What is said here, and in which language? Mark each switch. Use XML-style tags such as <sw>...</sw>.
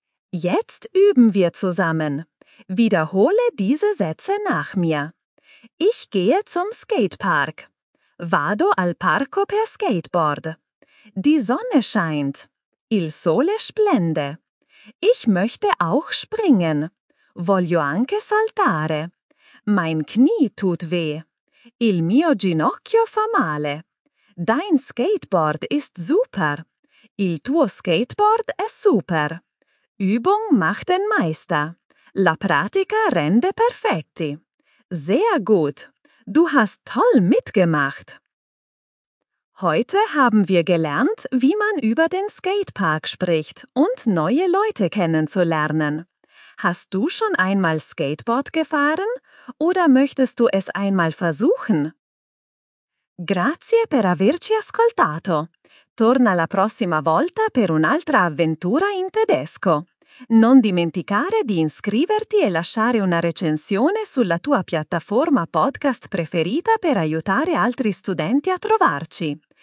<de>Jetzt üben wir zusammen. Wiederhole diese Sätze nach mir. Ich gehe zum Skatepark.</de> <it>Vado al parco per skateboard.</it> <de>Die Sonne scheint.</de> <it>Il sole splende.</it> <de>Ich möchte auch springen.</de> <it>Voglio anche saltare.</it> <de>Mein Knie tut weh.</de> <it>Il mio ginocchio fa male.</it> <de>Dein Skateboard ist super.</de> <it>Il tuo skateboard è super.</it> <de>Übung macht den Meister.</de> <it>La pratica rende perfetti.</it> <de>Sehr gut. Du hast toll mitgemacht. Heute haben wir gelernt, wie man über den Skatepark spricht und neue Leute kennenzulernen. Hast du schon einmal Skateboard gefahren oder möchtest du es einmal versuchen?</de> <it>Grazie per averci ascoltato. Torna la prossima volta per un'altra avventura in tedesco. Non dimenticare di iscriverti e lasciare una recensione sulla tua piattaforma podcast preferita per aiutare altri studenti a trovarci.</it>